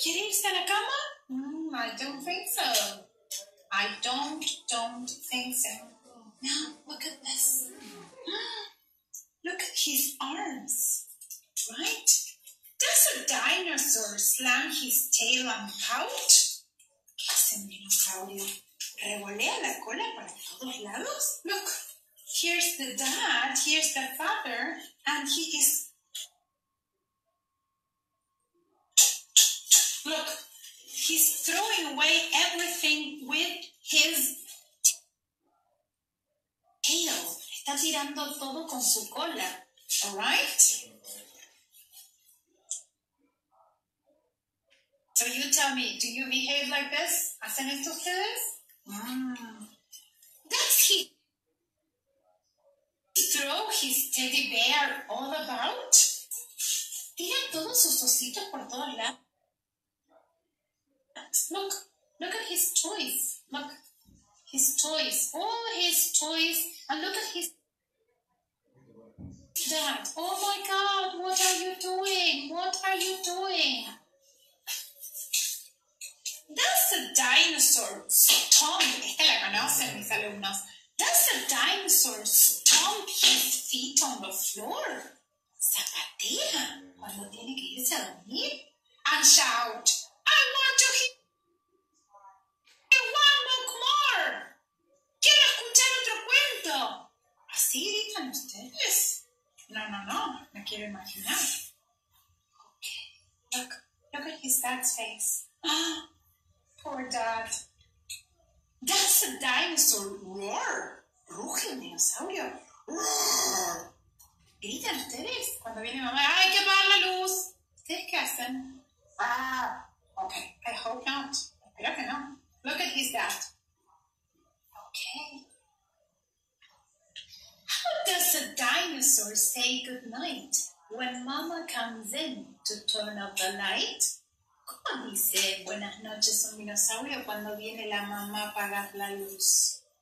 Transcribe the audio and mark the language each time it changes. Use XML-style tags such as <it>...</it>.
<es>¿Quiere irse a la cama?</es> <en>I don't think so. I don't think so. Now, look at this. Look at his arms, right? Does a dinosaur slam his tail and pout?</en> <es>¿Qué hace un dinosaurio? ¿Revolea la cola para todos lados?</es> <en>Look, here's the dad, here's the father, and he is... Look, he's throwing away everything with his tail.</en> <es>Está tirando todo con su cola, all right?</es> <en>So you tell me, do you behave like this?</en> <es>¿Hacen esto ustedes?</es> <en>Does he throw his teddy bear all about?</en> <es>¿Tira todos sus ositos por todos lados?</es> <en>Look at his toys. Look, his toys. All his toys. And look at his dad. Oh my God, what are you doing? What are you doing? Does a dinosaur stomp,</en> <es>esta la conocen mis alumnos,</es> <en>does a dinosaur stomp his feet on the floor?</en> <es>Zapatea cuando tiene que irse a dormir.</es> <en>And shout, I want to hear one book more.</en> <es>Quiero escuchar otro cuento. ¿Así dicen ustedes? No, me quiero imaginar.</es> <en>Okay, look at his dad's face. Poor dad. Does a dinosaur roar?</en> <es>Ruge un dinosaurio. Roar. ¿Gritan ustedes? Cuando viene mamá, hay que apagar la luz. ¿Ustedes qué hacen?</es> <en>Okay. I hope not.</en> <es>Espero que no.</es> <en>Look at his dad. Okay. How does a dinosaur say goodnight when mama comes in to turn off the light?</en> <es>¿Cómo dice buenas noches un dinosaurio cuando viene la mamá a apagar la luz?</es>